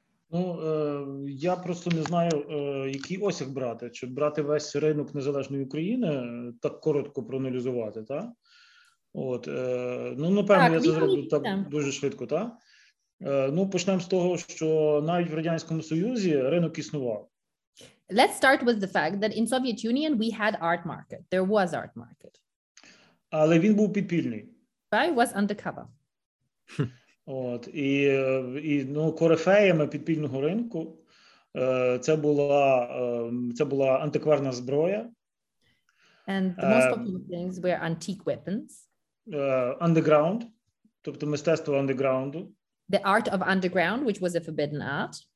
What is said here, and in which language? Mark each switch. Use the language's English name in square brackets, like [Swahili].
[Ukrainian] Ну, я просто не знаю, який осяг брати, чи брати весь ринок незалежної України, так коротко проаналізувати, так? От, ну, напевно, так, я це зроблю так дуже швидко, так? Ну, почнемо з того, що навіть в Радянському Союзі ринок існував. [English] Let's start with the fact that in Soviet Union we had art market. There was art market. [Ukrainian] Але він був підпільний. [English] But was undercover. [Ukrainian] От, і ну, корифеями підпільного ринку це була антикварна зброя. [English] And the most popular things were antique weapons. [Ukrainian] Underground, тобто мистецтво андеграунду. [English] The art of underground, which was a forbidden art.